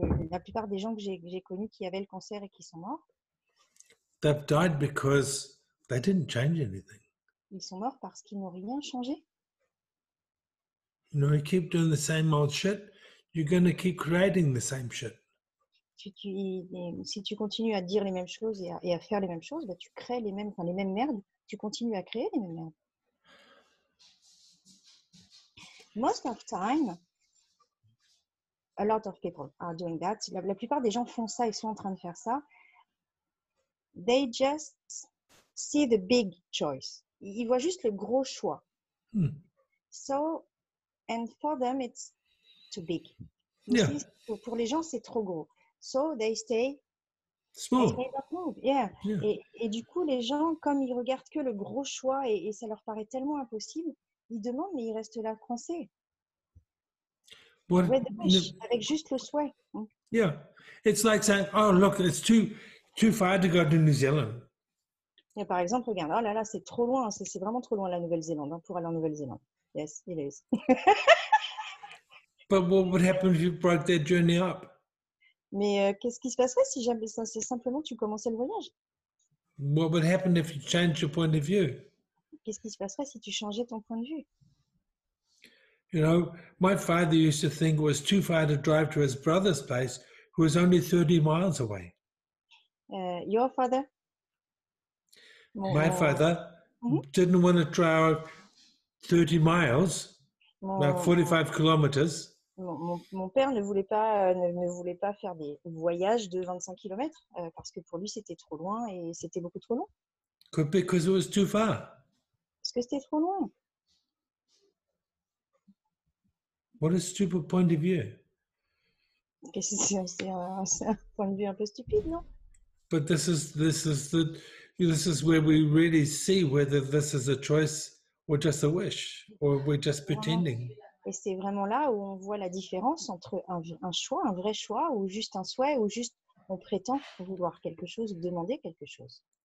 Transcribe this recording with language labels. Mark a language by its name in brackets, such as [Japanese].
[French] La plupart des gens que j'ai connus qui avaient le cancer et qui sont morts. [English] They've died because they didn't change anything. [French] Ils sont morts parce qu'ils n'ont rien changé. [English] You know, you keep doing the same old shit, you're going to keep creating the same shit. [French] Si tu continues à dire les mêmes choses et à faire les mêmes choses, bah, tu crées les mêmes merdes, tu continues à créer les mêmes merdes. [English] Most of time, a lot of people are doing that. [French] La plupart des gens font ça, ils sont en train de faire ça. [English] They just see the big choice. [French] Ils voient juste le gros choix. [English] So, and for them, it's too big. Yeah. [French] Pour les gens, c'est trop gros. [English] So, they stay small. They don't move. Yeah. [French] Et du coup, les gens, comme ils regardent que le gros choix et ça leur paraît tellement impossible, ils demandent, mais ils restent là coincés. Avec juste le souhait. [English] Yeah. It's like saying, oh, look, it's too far to go to New Zealand. [French] Et par exemple, regarde, oh là là, c'est trop loin, c'est vraiment trop loin la Nouvelle-Zélande, hein, pour aller en Nouvelle-Zélande. [English] Yes, it is. But what would happen if you broke that journey up? [French] Mais qu'est-ce qui se passerait si jamais ça, c'est simplement tu commençais le voyage? [English] What would happen if you changed your point of view? [French] Qu'est-ce qui se passerait si tu changeais ton point de vue? [English] You know, my father used to think it was too far to drive to his brother's place, who was only 30 miles away. Your father? My father didn't want to drive 30 miles, about 45 kilometers. [French] Mon père ne voulait pas faire des voyages de 25 kilomètres parce que pour lui c'était trop loin et c'était beaucoup trop long. [English] Because it was too far. [French] Parce que c'était trop loin. [English] What a stupid point of view. [French] C'est un point de vue un peu stupide, non? [English] But this is where we really see whether this is a choice or just a wish or we're just pretending. [French] Et c'est vraiment là où on voit la différence entre un choix, un vrai choix, ou juste un souhait, ou juste on prétend vouloir quelque chose, demander quelque chose.